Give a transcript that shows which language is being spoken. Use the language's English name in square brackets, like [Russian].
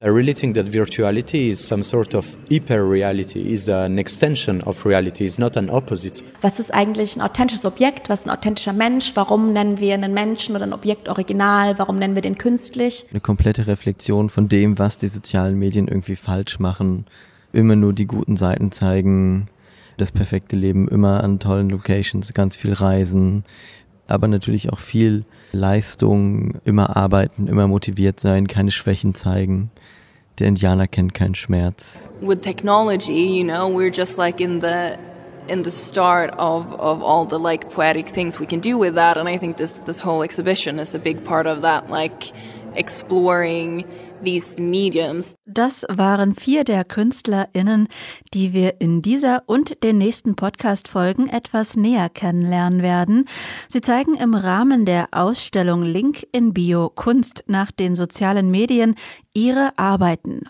[English] I really think that virtuality is some sort of hyper-reality, is an extension of reality, is not an opposite. [German] Was ist eigentlich ein authentisches Objekt? Was ist ein authentischer Mensch? Warum nennen wir einen Menschen oder ein Objekt original? Warum nennen wir den künstlich? Eine komplette Reflexion von dem, was die sozialen Medien irgendwie falsch machen. Immer nur die guten Seiten zeigen, das perfekte Leben, immer an tollen Locations, ganz viel reisen. Aber natürlich auch viel Leistung, immer arbeiten, immer motiviert sein, keine Schwächen zeigen. Der Indianer kennt keinen Schmerz. [English] With technology, you know, we're just like in the start of all the like poetic things we can do with that. And I think this whole exhibition is a big part of that, like exploring these mediums. [German] Das waren vier der KünstlerInnen, die wir in dieser und den nächsten Podcast-Folgen etwas näher kennenlernen werden. Sie zeigen im Rahmen der Ausstellung Link in Bio – Kunst nach den sozialen Medien ihre Arbeiten.